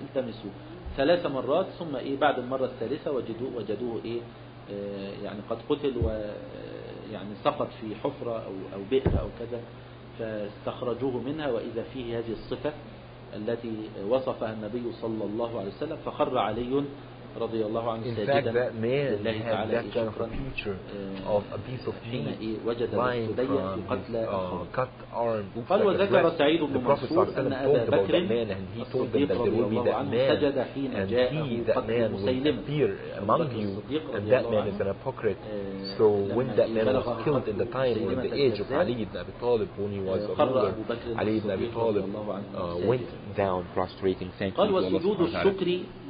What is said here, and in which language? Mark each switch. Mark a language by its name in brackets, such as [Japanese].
[Arabic] التمسوا ثلاث مرات ثم بعد المرة الثالثة وجدوه يعني قد قتل ويعني سقط في حفرة أو بئر أو كذا فاستخرجوه منها وإذا فيه هذه الصفة التي وصفها النبي صلى الله عليه وسلم فخر علي رضي الله عنه ساجدا. [English] In fact, that man had that kind of a picture of a piece of meat lying from his cut arm. [Arabic] قال وذكر سعيد بن منصور أن أبا بكر رضي الله عنه سجد حين جاء قتل مسيلم [English] among you, and that man is an hypocrite. So when that man was killed in the time or in the age of Ali ibn Abi Talib, when he was a ruler, Ali ibn Abi Talib went down prostrating, thanking Allah subhanahu wa ta'ala.